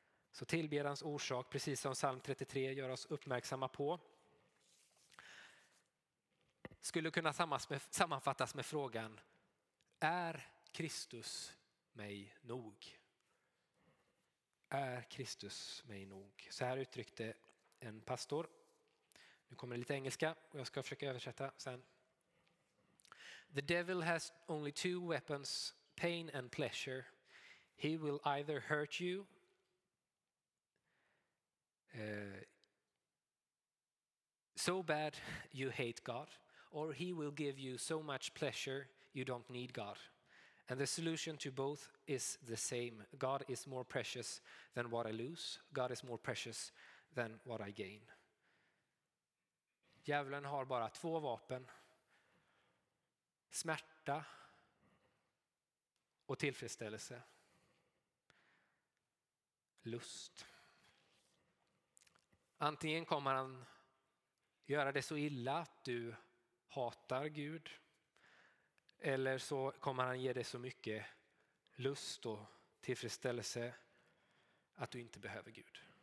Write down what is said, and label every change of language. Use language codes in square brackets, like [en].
[sv] Så tillbedjans orsak, precis som psalm 33 gör oss uppmärksamma på, skulle kunna sammanfattas med frågan: är Kristus mig nog? Är Kristus mig nog? Så här uttryckte en pastor. Nu kommer det lite engelska och jag ska försöka översätta sen. [en] The devil has only two weapons, pain and pleasure. He will either hurt you. So bad you hate God, or he will give you so much pleasure you don't need God. And the solution to both is the same. God is more precious than what I lose. God is more precious than what I gain. [sv] Djävulen har bara två vapen. Smärta och tillfredsställelse. Lust. Antingen kommer han göra det så illa att du hatar Gud, eller så kommer han ge dig så mycket lust och tillfredsställelse att du inte behöver Gud.